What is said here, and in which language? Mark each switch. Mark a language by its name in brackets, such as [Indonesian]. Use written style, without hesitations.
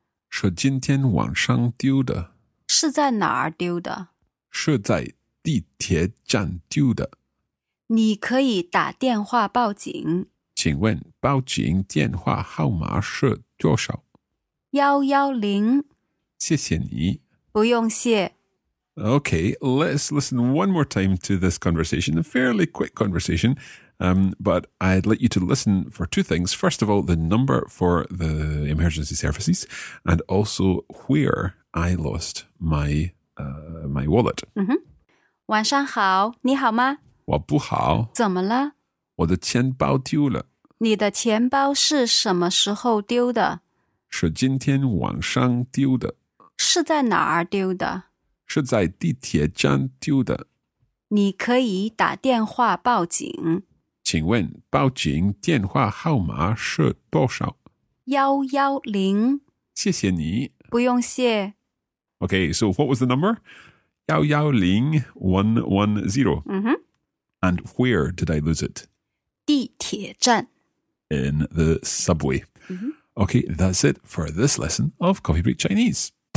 [Chinese] 是今天晚上丢的。是在哪儿丢的? 是在地铁站丢的。你可以打电话报警。请问报警电话号码是多少？110。谢谢你。不用谢。 [English] Okay, let's listen one more time to this conversation, a fairly quick conversation. But I'd like you to listen for two things. First of all, the number for the emergency services, and also where I lost my wallet. Mm-hmm. [Chinese] 晚上好，你好吗？我不好。怎么了？我的钱包丢了。你的钱包是什么时候丢的？是今天晚上丢的。是在哪儿丢的？是在地铁站丢的。你可以打电话报警。请问报警电话号码是多少？ 110。谢谢你。不用谢。 [English] Okay, so what was the number? 110110. Mm-hmm. And where did I lose it? [Chinese] 地铁站. [English] In the subway. Mm-hmm. Okay, that's it for this lesson of Coffee Break Chinese.